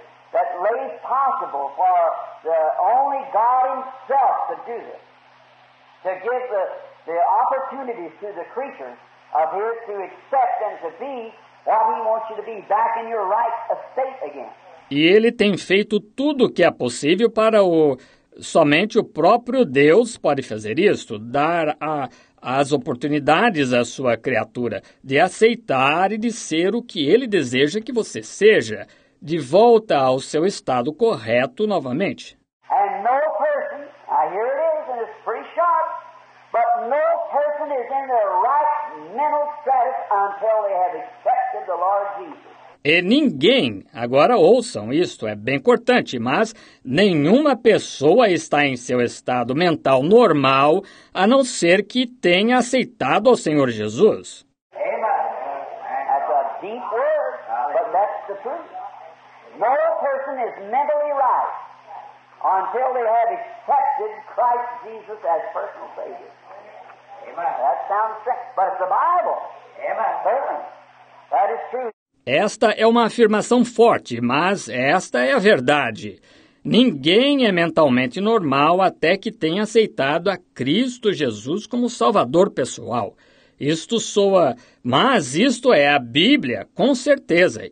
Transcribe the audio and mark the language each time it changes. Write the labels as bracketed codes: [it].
[en] That lays possible for the only God Himself to do this, to give the opportunities to the creatures of His to accept and to be what He wants you to be, back in your right estate again. [pt] E Ele tem feito tudo o que é possível para o... Somente o próprio Deus pode fazer isto, dar as oportunidades à sua criatura de aceitar e de ser o que Ele deseja que você seja, de volta ao seu estado correto novamente. [en] And no person, here it is, and it's pretty sharp, but no person is in their right mental status until they have accepted the Lord Jesus. [pt] E ninguém, agora ouçam, isto é bem importante, mas nenhuma pessoa está em seu estado mental normal a não ser que tenha aceitado ao Senhor Jesus. [en] Amen. That's a deep word, but that's the truth. No person is mentally right until they have accepted Christ Jesus as personal Savior. Amen. That sounds strange, but it's the Bible. Amen. Certainly. That is true. [pt] Esta é uma afirmação forte, mas esta é a verdade. Ninguém é mentalmente normal até que tenha aceitado a Cristo Jesus como Salvador pessoal. Isto soa, mas isto é a Bíblia, com certeza.